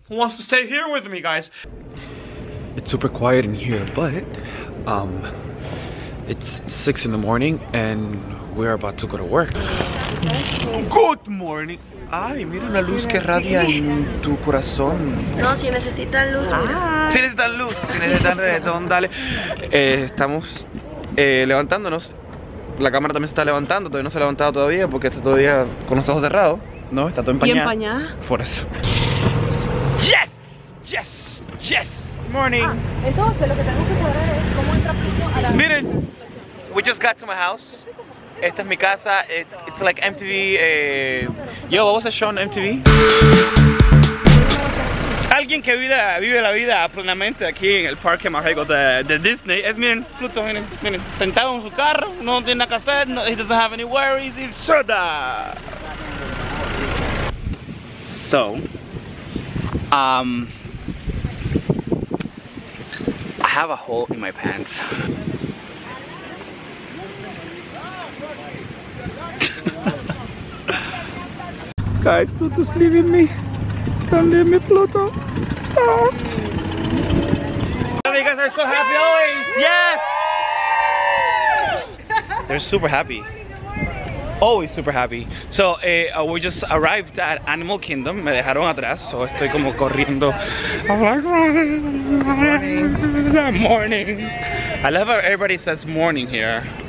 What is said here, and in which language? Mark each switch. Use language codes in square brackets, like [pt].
[en] Who wants to stay here with me, guys? It's super quiet in here, but it's 6 a.m. and we are about to go to work. Good morning. [es] Ay, mira una luz que radia en tu corazón. No, si necesitan luz. Ah. Si necesitan luz, si necesitan redón, dale. Estamos levantándonos. La cámara también se está levantando. Todavía no se ha levantado todavía porque está todavía con los ojos cerrados. No, está todo empañado. ¿Y empañada? Por eso. [en] Yes, yes, yes. Morning. [es] Ah, entonces lo que tenemos que saber es cómo entra Pluto a la. [en] Miren, we just got to my house. [es] Esta es mi casa. [en] It's like MTV. [es] Yo, ¿vos has shown MTV? Alguien que vive la vida plenamente aquí en el parque mágico de Disney. Es miren, Pluto, miren, miren, sentado en su carro, no tiene nada que hacer, no, [en] he doesn't have any worries, he's soda. So. I have a hole in my pants. Guys, Pluto's leaving me. Don't leave me, Pluto. Don't. You guys are so happy always. Yes! They're super happy. Always super happy. So we just arrived at Animal Kingdom. [es] Me dejaron atrás, so estoy como corriendo. [en] I'm like morning. Morning. I love how everybody says morning here.